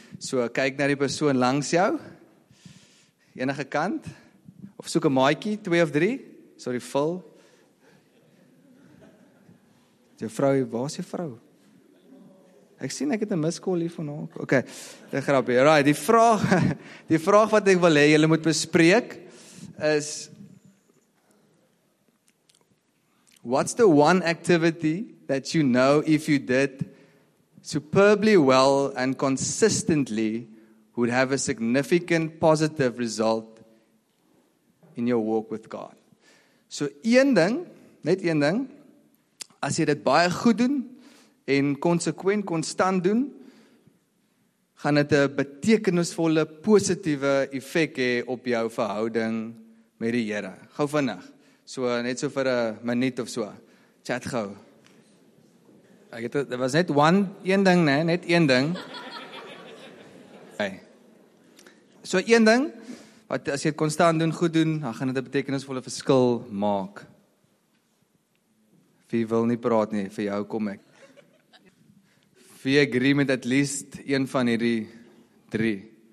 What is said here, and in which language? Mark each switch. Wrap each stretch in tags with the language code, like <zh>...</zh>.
<af>So kyk na die persoon langs jou. Enige kant of soek 'n maatjie, 2 of 3. Sorry, vul. Jou vrou, waar's jou vrou? Ek sien ek het 'n miscall hier van haar. Okay. Dit grap hier.</af> <en>Right,</en> <af>die vraag wat ek wil hê julle moet bespreek is</af> <en>what's the one activity that you know if you did superbly well and consistently would have a significant positive result in your walk with God?</en> <af>So een ding, net een ding, as jy dit baie goed doen en konsekwent konstant doen, gaan dit 'n betekenisvolle positiewe effek hê op jou verhouding met die Here. Gou vinnig. So net so vir 'n minuut of so. Chat gou. Ek het dit was net een ding, né, net een ding. Okay. So een ding wat as jy konstant doen, goed doen, dan gaan dit 'n betekenisvolle verskil maak. Wie wil nie praat nie, vir jou kom ek. Wie agree met at least een van hierdie 3?</af>